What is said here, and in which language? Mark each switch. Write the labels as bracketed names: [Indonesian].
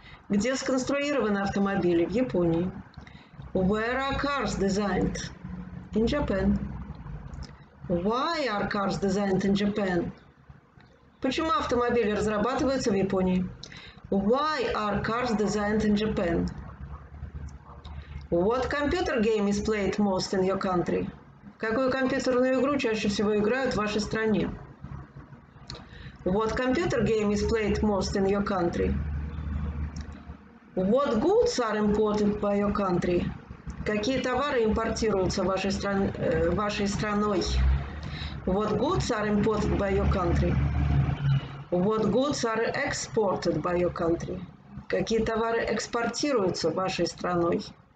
[Russian] Где сконструированы автомобили? В Японии. [English] Where are cars designed? In Japan. Why are cars designed in Japan? [Russian] Почему автомобили разрабатываются в Японии? [English] Why are cars designed in Japan? What computer game is played most in your country? [Russian] Какую компьютерную игру чаще всего играют в вашей стране? [English] What computer game is played most in your country? What goods are imported by your country? [Russian] Какие товары импортируются вашей страной? [English] What goods are imported by your country? What goods are exported by your country? [Russian] Какие товары экспортируются вашей страной?